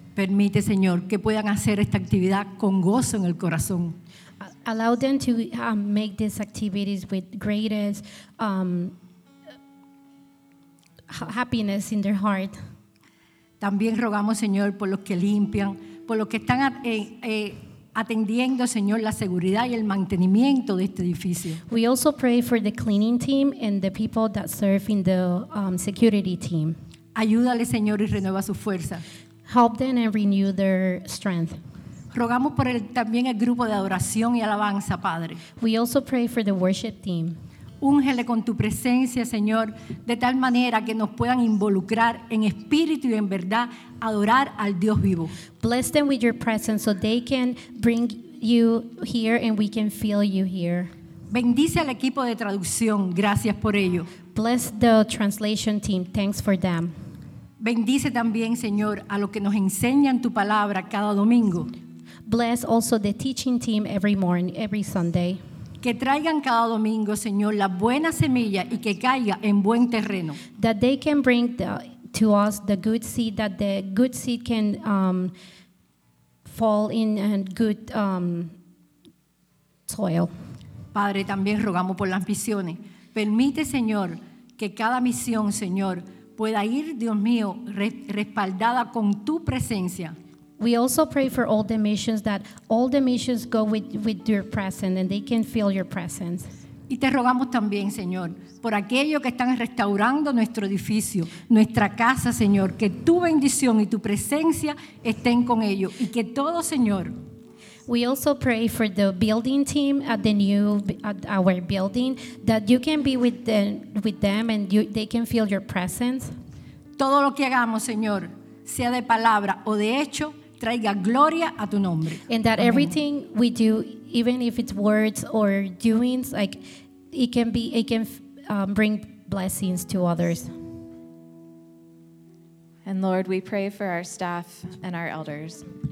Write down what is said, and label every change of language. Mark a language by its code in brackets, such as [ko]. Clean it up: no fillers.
[es] Permite, Señor, que puedan hacer esta actividad con gozo en el corazón. [en] Allow them to make these activities with greatest happiness in their heart. [es] También rogamos, Señor, por los que limpian, por los que están atendiendo, Señor, la seguridad y el mantenimiento de este edificio. [en] We also pray for the cleaning team and the people that serve in the security team. [es] Ayúdale, Señor, y renueva su fuerza. [en] Help them and renew their strength. [es] Rogamos por también el grupo de adoración y alabanza, Padre. [en] We also pray for the worship team. [es] Úngele con tu presencia, Señor, de tal manera que nos puedan involucrar en espíritu y en verdad adorar al Dios vivo. [en] Bless them with your presence so they can bring you here and we can feel you here. [es] Bendice al equipo de traducción. Gracias por ello. [en] Bless the translation team. Thanks for them. [es] Bendice también, Señor, a los que nos enseñan tu palabra cada domingo. [en] Bless also the teaching team every morning, every Sunday. [es] Que traigan cada domingo, Señor, la buena semilla y que caiga en buen terreno. [en] That they can bring to us the good seed, that the good seed can fall in and good soil. [es] Padre, también rogamos por las misiones. Permite, Señor, que cada misión, Señor, pueda ir, Dios mío, respaldada con tu presencia. [en] We also pray for all the missions, that all the missions go with your presence and they can feel your presence. [es] Y te rogamos también, Señor, por aquellos que están restaurando nuestro edificio, nuestra casa, Señor, que tu bendición y tu presencia estén con ellos y que todo, Señor. [en] We also pray for the building team at our building, that you can be with them and they can feel your presence. [es] Todo lo que hagamos, Señor, sea de palabra o de hecho, traiga gloria a tu nombre. [en] And that everything we do, even if it's words or doings, like it can bring blessings to others. And Lord, we pray for our staff and our elders.